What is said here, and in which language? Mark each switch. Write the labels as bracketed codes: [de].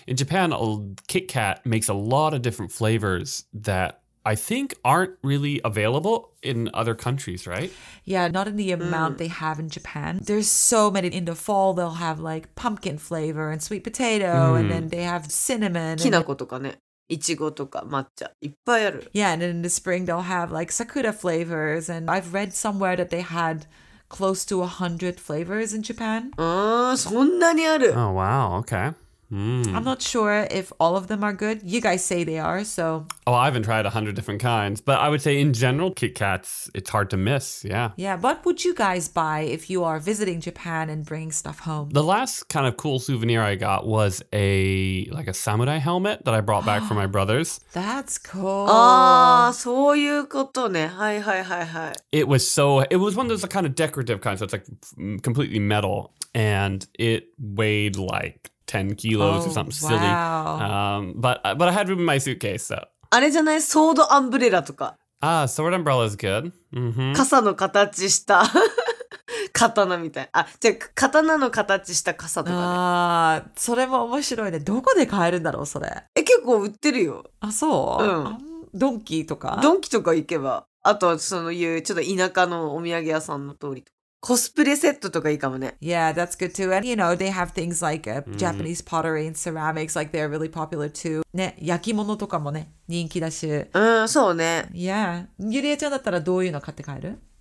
[en] In Japan, Kit Kat makes a lot of different flavors that I think aren't really available in other countries, right? Yeah, not in the amount they have in Japan. There's so many. In the fall, they'll have like pumpkin flavor and sweet potato, and then they have cinnamon. [ja] きなことかね。いちごとか抹茶いっぱいある。 [en] Yeah, and then in the spring, they'll have like sakura flavors. And I've read somewhere that they had... Close to 100 flavors in Japan. [ja] そんなにある。 [en] Oh, wow. Okay. I'm not sure if all of them are good. You guys say they are, so... Oh, I haven't tried 100 different kinds. But I would say in general, Kit Kats, it's hard to miss. Yeah. Yeah. What would you guys buy if you are visiting Japan and bringing stuff home? The last kind of cool souvenir I got was a samurai helmet that I brought back for my brothers. That's cool. [ja] そういうことね。はいはいはいはい。 [en] It was one of those kind of decorative kinds. So it's like completely metal. And it weighed like... 10 kilos or something silly. But I had room in my suitcase, so. [ja] あれじゃない？ソードアンブレラとか。 [en] Sword umbrella is good. Mm-hmm. [ja] 傘の形した刀みたい。じゃあ、刀の形した傘とかね。それも面白いね。どこで買えるんだろう、それ。結構売ってるよ。そう？うん。ドンキーとか？ドンキーとか行けば。あと、そのいう、ちょっと田舎のお土産屋さんの通りとか。コスプレセットとかいいかもね。 [en] Yeah, that's good too. And you know, they have things like Japanese pottery and ceramics, like they're really popular too. [ja] ね、焼き物とかもね、人気だし。そうね。 [en] Yeah. [ja] ゆりえちゃんだったらどういうの買って帰る？